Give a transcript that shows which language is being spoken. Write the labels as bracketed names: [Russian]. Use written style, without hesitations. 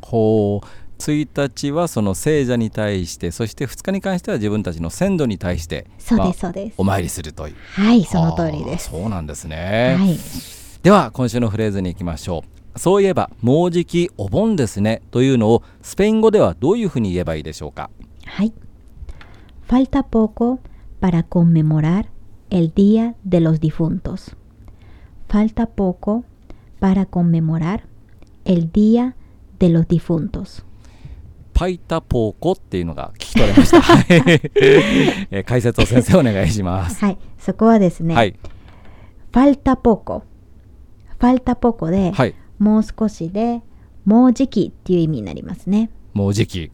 [Japanese] ほう、1日はその聖者に対して、そして2日に関しては自分たちの先祖に対して、そうです、まあ、そうです、お参りするという。はい、その通りです。そうなんですね。はい、では今週のフレーズに行きましょう。そういえばもうじきお盆ですねというのをスペイン語ではどういうふうに言えばいいでしょうか？ [Spanish] はい、 Falta poco para conmemorar el día de los difuntos. Falta poco para conmemorar el día de los difuntos. [Japanese] パイタポーコっていうのが聞き取れました。解説を先生お願いします。はい、そこはですね、はい、ファルタポコ、ファルタポコで、はい、もう少しで、もうじきっていう意味になりますね。もうじき、